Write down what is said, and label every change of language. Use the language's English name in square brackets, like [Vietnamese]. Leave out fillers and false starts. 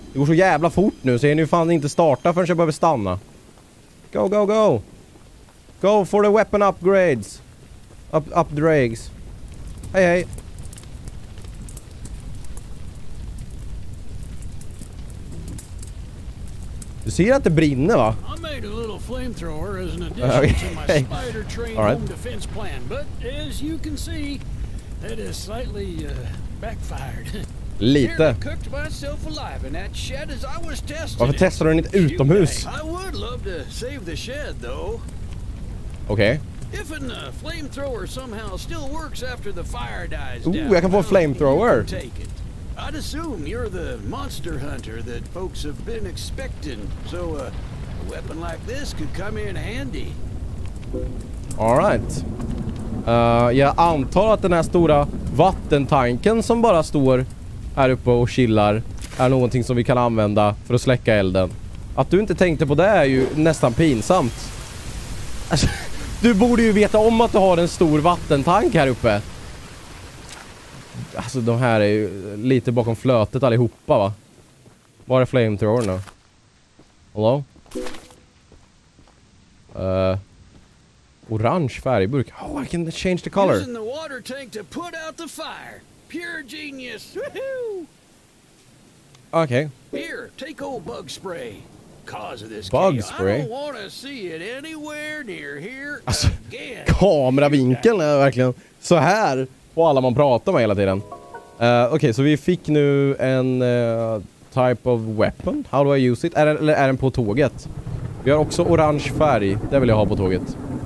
[Swedish] Det går så jävla fort nu så jag är nu fan inte starta förrän jag behöver stanna. [English] Go, go, go! Go for the weapon upgrades! [Swedish] Updrags. Hej, hej! Du ser att det brinner, va? [English] I made a little flamethrower as an addition to my spider train home defense plan, but as you can see, that is slightly backfired. [Swedish] Lite. [English] I cooked myself alive in that shed as I was testing. [Swedish] Varför testar du den inte utomhus? [English] I would love to save the shed though. Okay. If an flamethrower somehow still works after the fire dies down. Ooh, I can pull a flamethrower. I'd assume you're the monster hunter that folks have been expecting, so a weapon like this could come in handy. All right. [Swedish] Jag antar att den här stora vattentanken som bara står här uppe och chillar är någonting som vi kan använda för att släcka elden. Att du inte tänkte på det är ju nästan pinsamt. Alltså, du borde ju veta om att du har en stor vattentank här uppe. Alltså, de här är ju lite bakom flötet allihopa, va? Var är flamethrower nu? [English] Hello? [Swedish] Orange färgburk. [English] Oh, I can change the color. Using the water tank to put out the fire. Pure genius. Woohoo! Okay. Here, take old bug spray. Cause of this bug spray? I don't want to see it anywhere near here again. [Swedish] Alltså, kameravinkeln är verkligen så här. På alla man pratar med hela tiden. Okej, så vi fick nu en [English] type of weapon. How do I use it? [Swedish] Är den på tåget? Vi har också orange färg. Det vill jag ha på tåget.